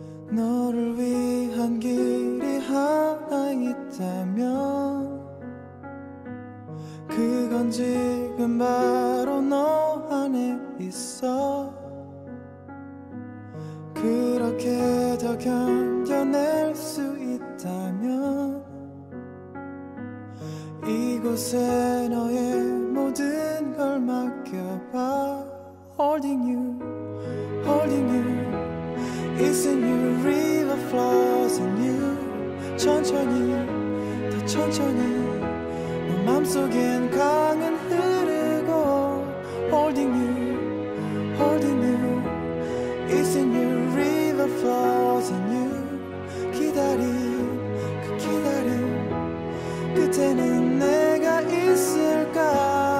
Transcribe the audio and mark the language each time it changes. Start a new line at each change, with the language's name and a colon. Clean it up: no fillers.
Korean: 너를 위한 길이 하나 있다면 그건 지금 바로 너 안에 있어. 그렇게 더 견뎌낼 수 있다면 이곳에 너의 모든 걸 맡겨봐.
English: Holding you, holding you, it's a new river flows in you.
Korean: 천천히, 더 천천히, 내 맘속엔 강은 흐르고.
English: Holding you, holding you, it's a new river flows in you.
Korean: 기다림, 그 기다림, 끝에는 내가 있을까.